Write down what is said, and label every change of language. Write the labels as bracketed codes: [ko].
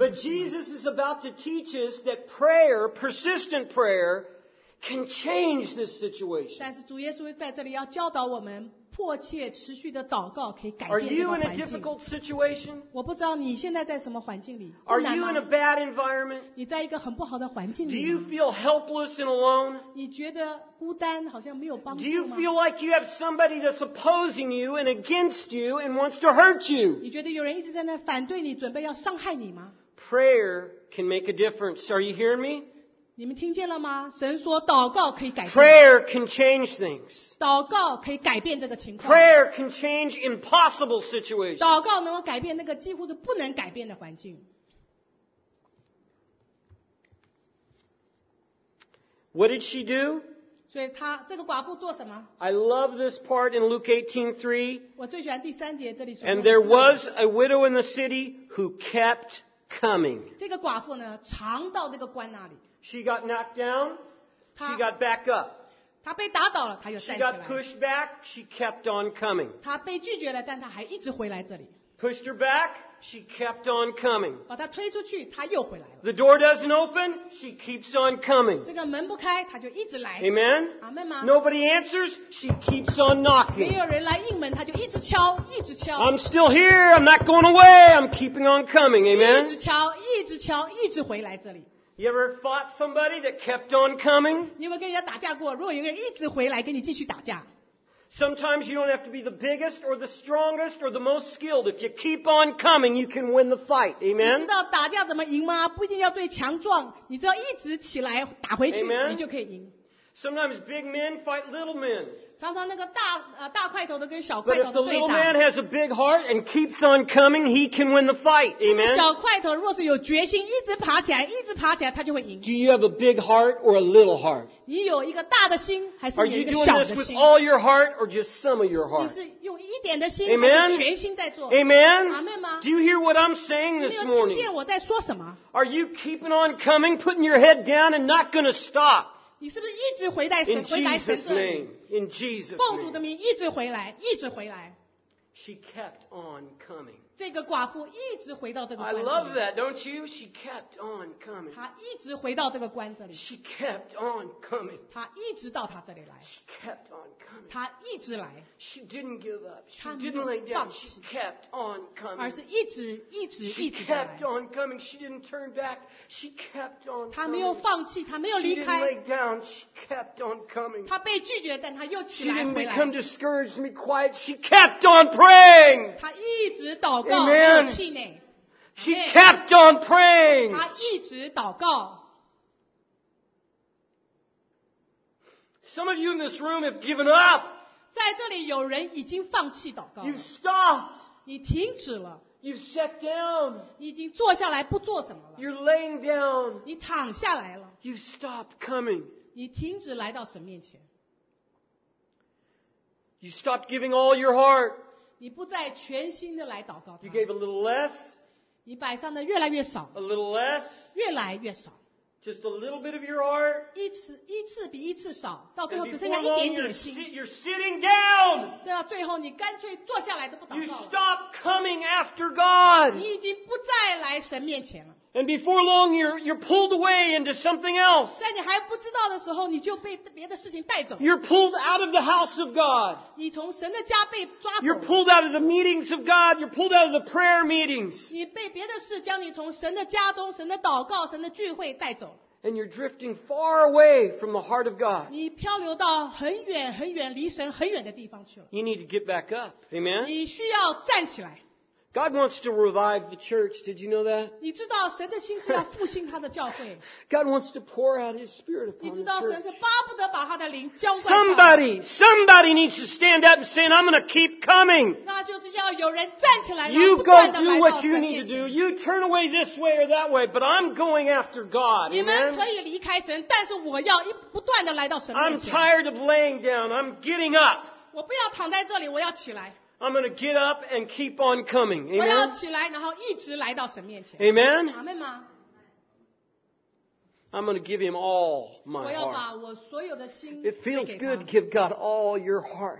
[en] But Jesus is about to teach us that prayer, persistent prayer, can change this situation. [zh] 但是主耶稣在这里要教导我们, 迫切持续的祷告可以改变这个环境。 [en] Are you in a difficult situation? [zh] 我不知道你现在在什么环境里。 [en] Are you in a bad environment? [zh] 你在一个很不好的环境里。 [en] Do you feel helpless and alone? [zh] 你觉得孤单好像没有帮助吗? [en] Do you feel like you have somebody that's opposing you and against you and wants to hurt you? [zh] 你觉得有人一直在那反对你, 准备要伤害你吗? [en] Prayer can make a difference. Are you hearing me? [zh] 你们听见了吗?神说祷告可以改变。 [en] Prayer can change things. [zh] 祷告可以改变这个情况。 [en] Prayer can change impossible situations. [zh] 祷告能够改变那个几乎是不能改变的环境。 [en] What did she do? [zh] 所以她这个寡妇做什么? [en] I love this part in Luke 18:3. [zh] 我最喜欢第三节这里说的。 [en] And there was a widow in the city who kept coming. [zh] 这个寡妇呢, 常到这个官那里。 [en] She got knocked down, she got back up. [zh] 她被打倒了,她又站起来。 [en] She got pushed back, she kept on coming. [zh] 她被拒绝了,但她还一直回来这里。 [en] Pushed her back, she kept on coming. [zh] 把她推出去,她又回来了。 [en] The door doesn't open, she keeps on coming. [zh] 这个门不开,她就一直来。 [en] Amen? [zh] 阿们吗? [en] Nobody answers, she keeps on knocking. [zh] 没有人来应门,她就一直敲,一直敲。 [en] I'm still here, I'm not going away, I'm keeping on coming. Amen? [zh] 一直敲,一直敲,一直回来这里。 [en] You ever fought somebody that kept on coming? [zh] 你有没有跟人家打架过? 如果有人一直回来跟你继续打架。 [en] Sometimes you don't have to be the biggest or the strongest or the most skilled. If you keep on coming, you can win the fight. Amen? [zh] 你知道打架怎么赢吗？不一定要最强壮，你只要一直起来打回去，你就可以赢。 [en] Sometimes big men fight little men. [zh] 常常那个大块头的跟小块头的对打。 [en] But if the little man has a big heart and keeps on coming, he can win the fight. Amen. [zh] 小块头若是有决心，一直爬起来，一直爬起来，他就会赢。 [en] Do you have a big heart or a little heart? [zh] 你有一个大的心还是你有一个小的心 [en] ？Are you doing this with all your heart or just some of your heart? [zh] 你是用一点的心还是全心在做 [en] ？Amen. [zh] Amen 吗 [en] ？Do you hear what I'm saying this morning? [zh] 你有听见我在说什么 [en] ？Are you keeping on coming, putting your head down, and not going to stop? [zh] 你是不是一直回来神回来神这里 [en] in Jesus [zh] 奉主的名一直回来一直回来 [en] She kept on coming. [zh] 这个寡妇一直回到这个关子里 [en] I love that, don't you? She kept on coming. [zh] 她一直回到这个关子里 [en] She kept on coming. [zh] 她一直到她这里来 [en] She kept on coming. [zh] 她一直来 [en] She didn't give up. She didn't lay down. She kept on coming. [zh] 而是一直一直一直 [en] She kept on coming. She didn't turn back. She kept on coming. [zh] 她没有放弃，她没有离开。 [en] She didn't lay down. She kept on coming. [zh] 她被拒绝，但她又起来回来。 [en] She didn't become discouraged and be quiet. She kept on praying. [zh] 她一直祷告。 [en] Amen. She kept on praying. [zh] 她一直祷告。 [en] Some of you in this room have given up. [zh] 在这里有人已经放弃祷告。 [en] You've stopped. [zh] 你停止了。 [en] You've sat down. [zh] 你已经坐下来不做什么了。 [en] You're laying down. [zh] 你躺下来了。 [en] You've stopped coming. [zh] 你停止来到神面前。 [en] You stopped giving all your heart. [zh] 你不再全心的来祷告他。 [en] You gave a little less. [zh] 你摆上的越来越少。 [en] A little less. [zh] 越来越少。 [en] Just a little bit of your heart. [zh] 一次比一次少，到最后只剩下一点点心。 [en] You're sitting down. [zh] 这样最后你干脆坐下来都不祷告。 [en] You stop coming after God. [zh] 你已经不再来神面前了。 [en] And before long, you're pulled away into something else. [zh] 在你还不知道的时候，你就被别的事情带走。 [en] You're pulled out of the house of God. [zh] 你从神的家被抓走。 [en] You're pulled out of the meetings of God. You're pulled out of the prayer meetings. [zh] 你被别的事将你从神的家中、神的祷告、神的聚会带走。 [en] And you're drifting far away from the heart of God. [zh] 你漂流到很远很远离神很远的地方去了。 [en] You need to get back up. Amen. [zh] 你需要站起来。 [en] God wants to revive the church. Did you know that? [zh] 你知道神的心是要复兴他的教会。 [en] God wants to pour out His Spirit upon the church. [zh] 你知道神是巴不得把他的灵浇灌。 [en] Somebody needs to stand up and say, "I'm going to keep coming." [zh] 那就是要有人站起来。 [en] You go do what you need to do. You turn away this way or that way, but I'm going after God. [zh] 你们可以离开神，但是我要不断的来到神面前。 [en] I'm tired of laying down. I'm getting up. [zh] 我不要躺在这里，我要起来。 [en] I'm going to get up and keep on coming. Amen. [zh] 我要起来，然后一直来到神面前。 [en] Amen. [zh] 阿门吗 [en] ？I'm going to give Him all my heart. [zh] 我要把我所有的心。 [en] It feels good to give God all your heart.